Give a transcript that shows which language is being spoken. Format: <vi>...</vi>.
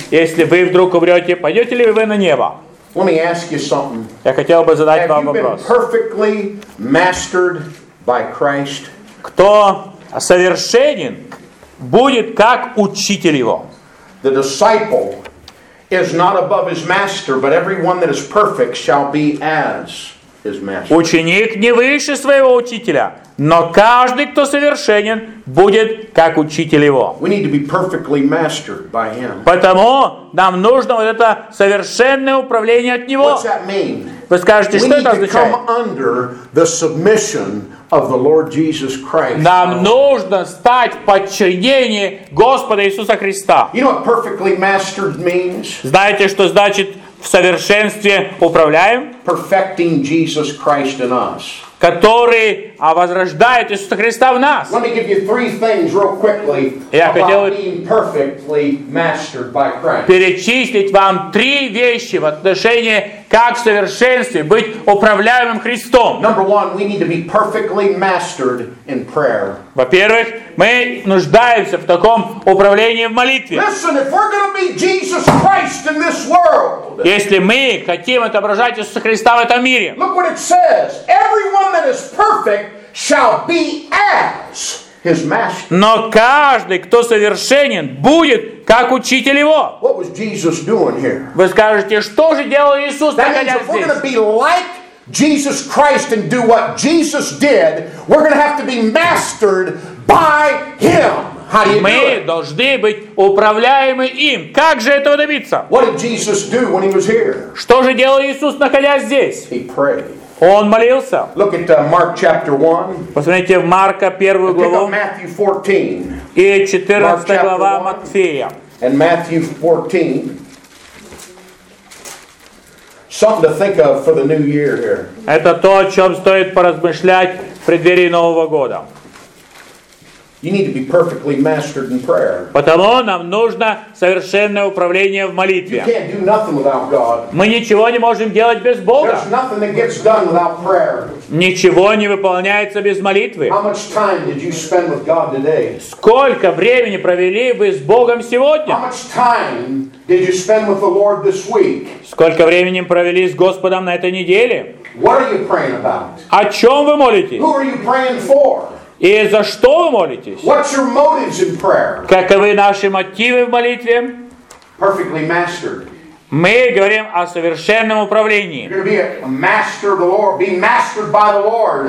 <ru>Если вы вдруг умрете, пойдете ли вы на небо?</ru> <en>Let me ask you something.</en> <ru>Я хотел бы задать</ru> <en>Have</en> <ru>вам вопрос.</ru> <en>Have you been perfectly mastered by Christ?</en> <ru>Кто совершенен, будет как учитель Его.</ru> <en>The disciple is not above his master, but everyone that is perfect shall be as his master.</en> <ru>Ученик не выше своего учителя, но каждый, кто совершенен, будет как учитель его.</ru> <en>We need to be perfectly mastered by him.</en> <ru>Потому нам нужно вот это совершенное управление от него.</ru> <en>What's that mean?</en> <ru>Вы скажете, что это означает?</ru> <en>We need to come under the submission of the Lord Jesus Christ.</en> <ru>Нам нужно стать в подчинении Господа Иисуса Христа.</ru> <en>You know what perfectly mastered means?</en> <ru>Знаете, что значит в совершенстве управляем?</ru> <en>Perfecting Jesus Christ in us.</en> <ru>Который возрождает Иисуса Христа в нас.</ru> <en>Let me give you three things real quickly about being perfectly mastered by Christ.</en> <ru>Перечислить вам три вещи в отношении как в совершенстве быть управляемым Христом.</ru> <en>Number one, we need to be perfectly mastered in prayer.</en> <ru>Во-первых, мы нуждаемся в таком управлении в молитве.</ru> <en>Listen, if we're going to be Jesus Christ in this world,</en> <ru>если мы хотим отображать Иисуса Христа в этом мире,</ru> <en>look what it says. Everyone that is perfect shall be as his master.</en> <ru>Но каждый, кто совершенен, будет как учитель его.</ru> <en>What was Jesus doing here?</en> <ru>Вы скажете, что же делал Иисус?</ru> <en>That means if we're going to be like Jesus Christ and do what Jesus did, we're going to have to be mastered by him. How do you do it?</en> <ru>Мы должны быть управляемы им. Как же этого добиться?</ru> <en>What did Jesus do when he was here?</en> <ru>Что же делал Иисус, находясь здесь?</ru> <en>He prayed.</en> <ru>Он молился.</ru> <en>Look at Mark chapter 1.</en> <ru>Посмотрите в Марка 1 главу.</ru> <en>And Matthew 14.</en> <ru>И 14 глава Матфея.</ru> <en>And Matthew 14. Something to think of for the new year here.</en> <ru>Это то, о чем стоит поразмышлять в преддверии Нового года.</ru> <en>You need to be perfectly mastered in prayer.</en> <ru>Потому нам нужно совершенное управление в молитве.</ru> <en>You can't do nothing without God.</en> <ru>Мы ничего не можем делать без Бога.</ru> <en>There's nothing that gets done without prayer.</en> <ru>Ничего не выполняется без молитвы.</ru> <en>How much time did you spend with God today?</en> <ru>Сколько времени провели вы с Богом сегодня?</ru> <en>How much time did you spend with the Lord this week?</en> <ru>Сколько времени провели с Господом на этой неделе?</ru> <en>What are you praying about?</en> <ru>О чем вы молитесь?</ru> <en>Who are you praying for?</en> <ru>И за что вы молитесь?</ru> <en>What's your motives in prayer?</en> <ru>Каковы наши мотивы в молитве?</ru> <en>Perfectly mastered.</en> <ru>Мы говорим о совершенном управлении.</ru> <en>You're going to be a master of the Lord, be mastered by the Lord.</en>